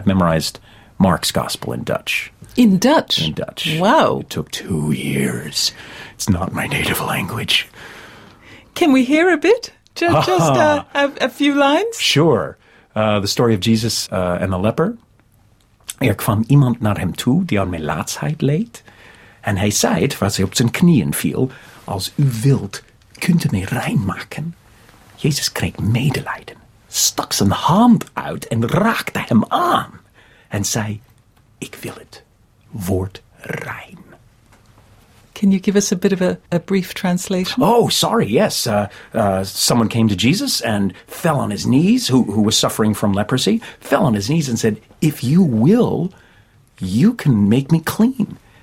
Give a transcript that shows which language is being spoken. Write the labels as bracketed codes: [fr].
[en] I've memorized Mark's Gospel in Dutch. In Dutch? In Dutch. Wow. It took 2 years. It's not my native language. Can we hear a bit? Just a few lines? Sure. The story of Jesus and the leper. [nl] Er kwam iemand naar hem toe die aan mijn laatsheid leed. En hij zei, terwijl hij op zijn knieën viel, als u wilt, kunt u mij rein maken. Jezus kreeg medelijden, stak zijn hand uit en raakte hem aan. En zei, ik wil het, word rein. [en] Can you give us a bit of a brief translation? Oh, sorry, yes. Someone came to Jesus and fell on his knees, who was suffering from leprosy, fell on his knees and said, if you will, you can make me clean.